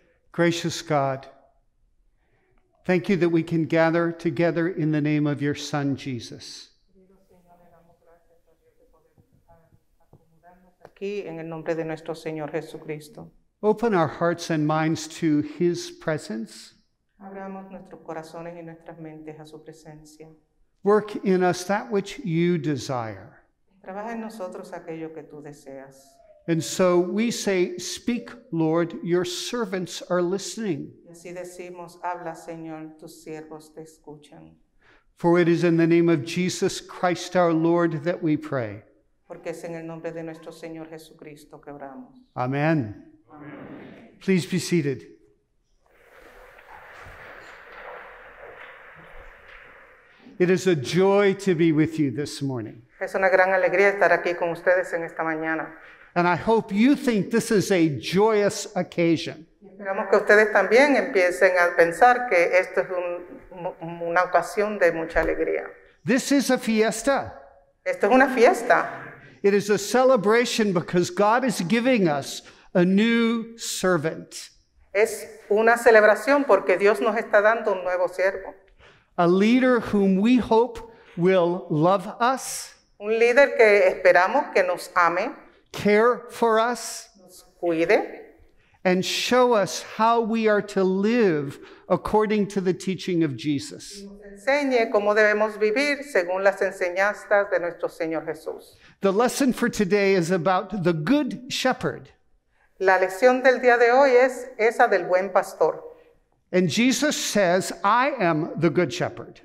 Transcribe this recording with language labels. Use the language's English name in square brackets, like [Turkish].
[English] Gracious God, thank you that we can gather together in the name of your Son, Jesus. [Spanish] En el nombre de nuestro Señor Jesucristo. [English] Open our hearts and minds to his presence. [Spanish] Abramos nuestros corazones y nuestras mentes a su presencia. [English] Work in us that which you desire. [Spanish] Trabaja en nosotros aquello que tú deseas. [English] And so we say, speak, Lord, your servants are listening. [Spanish] Y así decimos, habla, Señor, tus siervos te escuchan. [English] For it is in the name of Jesus Christ, our Lord, that we pray. [Spanish] Porque es en el nombre de nuestro Señor Jesucristo que oramos. [English] Amen. Amen. Please be seated. It is a joy to be with you this morning. [Spanish] Es una gran alegría estar aquí con ustedes en esta mañana. [English] And I hope you think this is a joyous occasion. [Spanish] Esperamos que ustedes también empiecen a pensar que esto es una ocasión de mucha alegría. [English] This is a fiesta. [Spanish] Esto es una fiesta. [English] It is a celebration because God is giving us a new servant. [Spanish] Es una celebración porque Dios nos está dando un nuevo siervo. [English] A leader whom we hope will love us. [Spanish] Un líder que esperamos que nos ame. [English] Care for us. [Spanish] Nos cuide. [English] And show us how we are to live according to the teaching of Jesus. [Spanish] Enseñe cómo debemos vivir según las enseñanzas de nuestro Señor Jesús. [English] The lesson for today is about the good shepherd. [Spanish] La lección del día de hoy es esa del buen pastor. [English] And Jesus says, I am the good shepherd.